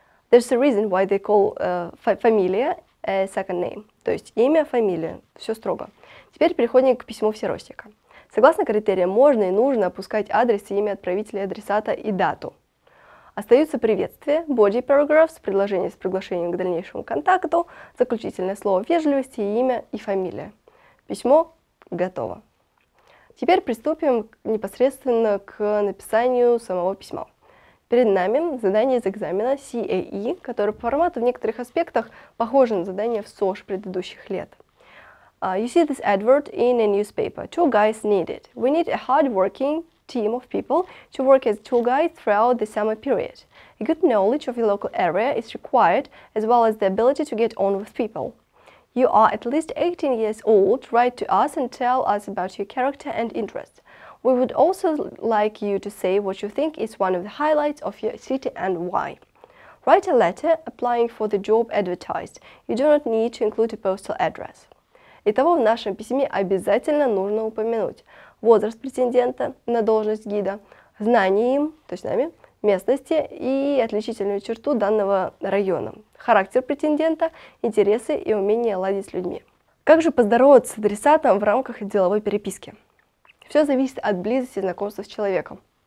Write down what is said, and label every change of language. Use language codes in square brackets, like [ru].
[en] There's a reason why they call фамилия second name. [ru] То есть имя, фамилия, все строго. Теперь переходим к письму в Сиростика. Согласно критериям, можно и нужно опускать адрес и имя отправителя, адресата и дату. Остаются приветствия, [en] body paragraphs, [ru] предложение с приглашением к дальнейшему контакту, заключительное слово вежливости, имя и фамилия. Письмо готово. Теперь приступим непосредственно к написанию самого письма. Перед нами задание из экзамена CAE, которое по формату в некоторых аспектах похоже на задание в СОЖ предыдущих лет. [en] You see this advert in a newspaper. Two guys need it. We need a hard-working team of people to work as two guys throughout the summer period. A good knowledge of your local area is required, as well as the ability to get on with people. You are at least 18 years old. Write to us and tell us about your character and interests. We would also like you to say what you think is one of the highlights of your city and why. Write a letter applying for the job advertised. You do not need to include a postal address. [ru] Итого, в нашем письме обязательно нужно упомянуть возраст претендента на должность гида, знание им, то есть нами, местности и отличительную черту данного района, характер претендента, интересы и умение ладить с людьми. Как же поздороваться с адресатом в рамках деловой переписки? Все зависит от близости знакомства с человеком.